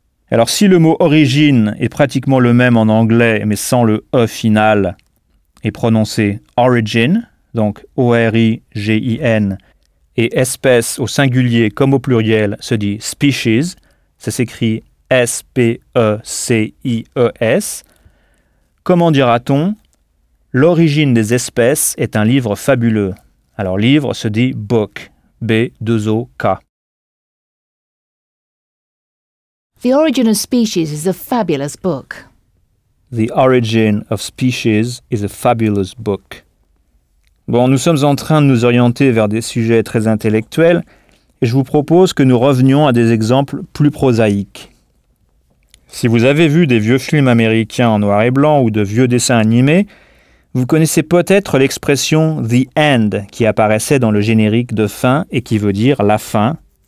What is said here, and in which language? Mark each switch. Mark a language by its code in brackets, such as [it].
[fr] Alors, si le mot origine est pratiquement le même en anglais, mais sans le E final, est prononcé origin, donc O-R-I-G-I-N, et espèce au singulier comme au pluriel se dit species, ça s'écrit S-P-E-C-I-E-S. Comment dira-t-on « L'origine des espèces est un livre fabuleux ». Alors, livre se dit « book », B-2-O-K. [en] The Origin of Species is a fabulous book. The Origin of Species is a fabulous book. [fr] Bon, nous sommes en train de nous orienter vers des sujets très intellectuels et je vous propose que nous revenions à des exemples plus prosaïques. Si vous avez vu des vieux films américains en noir et blanc ou de vieux dessins animés, vous connaissez peut-être l'expression « [en] the end [fr] » qui apparaissait dans le générique de fin et qui veut dire « la fin ».